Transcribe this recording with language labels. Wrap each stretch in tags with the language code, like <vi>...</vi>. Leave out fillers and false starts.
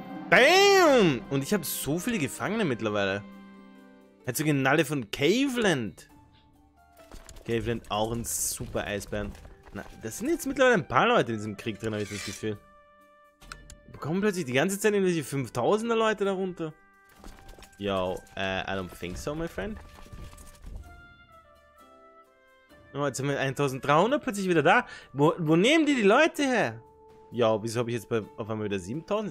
<de>Bam! Und ich habe so viele Gefangene mittlerweile. Hat sogar eine Nalle von Caveland. Caveland auch ein super Eisbären. Na, da sind jetzt mittlerweile ein paar Leute in diesem Krieg drin, habe ich das Gefühl. Bekommen plötzlich die ganze Zeit irgendwelche 5000er Leute darunter?</de> <en>Yo, I don't think so, my friend.</en> <de>Oh, jetzt sind wir 1300 plötzlich wieder da. Wo nehmen die Leute her? Yo, wieso habe ich jetzt auf einmal wieder 7000?</de>